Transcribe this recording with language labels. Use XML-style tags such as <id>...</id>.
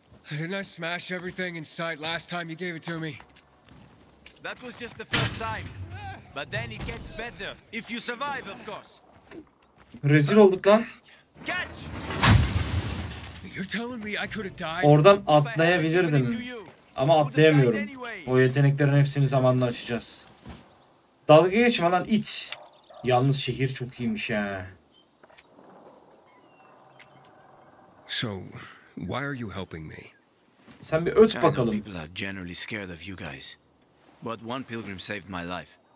<en>Didn't I smash everything in sight last time you gave it to me? That was just the first time. But then it gets better. If you survive, of course.</en> <tr>Rezil olduk lan.</tr> <en>Catch! You're telling me I could have died?</en> <tr>Oradan atlayabilirdim. Ama atlayamıyorum. O yeteneklerin hepsini zamanla açacağız. Dalga geçme lan, iç. Yalnız şehir çok iyiymiş ha.</tr> <en>So, why are you helping me?</en> <tr>Sen bir öt bakalım.</tr> <en>People are generally scared of you guys. But one pilgrim saved my life.</en>